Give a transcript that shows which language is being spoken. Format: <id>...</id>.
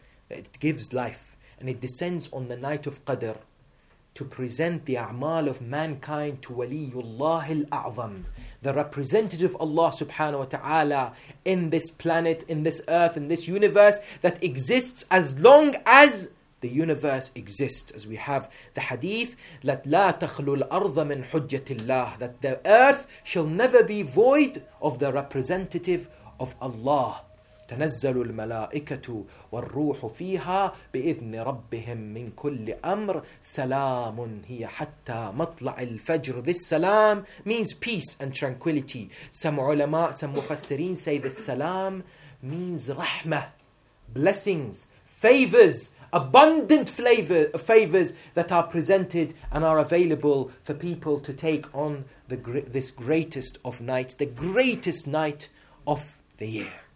<en>It gives life and it descends on the night of Qadr to present the a'mal of mankind to Waliyullah al-A'zam, the representative of Allah subhanahu wa ta'ala in this planet, in this earth, in this universe that exists as long as the universe exists. As we have the hadith, that</en> <ar>لا تخلو الأرض من حجة الله,</ar> <en>that the earth shall never be void of the representative of Allah.</en> <ar>تنزل الملائكة والروح فيها بإذن ربهم من كل أمر سلام هي حتى مطلع الفجر.</ar> <en>This salam means peace and tranquility. Some ulama, some mufassirin say this salam means rahmah, blessings, favors, abundant favors that are presented and are available for people to take on this greatest of nights, the greatest night of the year.</en>